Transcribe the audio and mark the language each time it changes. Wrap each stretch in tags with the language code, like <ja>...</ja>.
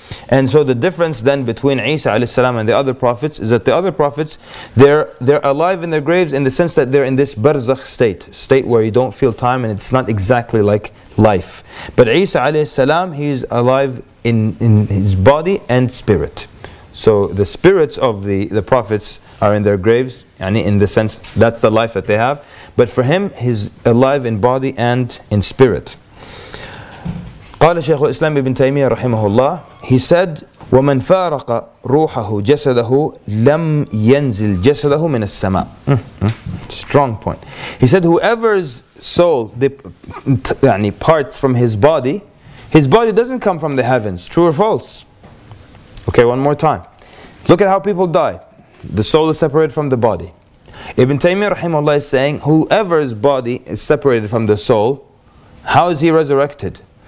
<en>And so the difference then between Isa alayhi salam and the other prophets is that the other prophets, they're alive in their graves in the sense that they're in this barzakh state where you don't feel time and it's not exactly like life. But Isa alayhi salam, he's alive in his body and spirit. So the spirits of the prophets are in their graves, yani in the sense that's the life that they have. But for him, he's alive in body and in spirit.</en> <ar>قال شيخ الإسلام ابن تيمية رحمه الله.</ar> <en>He said,</en> <ar>"ومن فارق روحه جسده لم ينزل جسده من السماء."</ar> <en>Strong point. He said, "Whoever's soul, parts from his body doesn't come from the heavens. True or false?" Okay, one more time. Look at how people die. The soul is separated from the body. Ibn Taymiyyah rahimahullah is saying, whoever's body is separated from the soul, how is he resurrected?</en>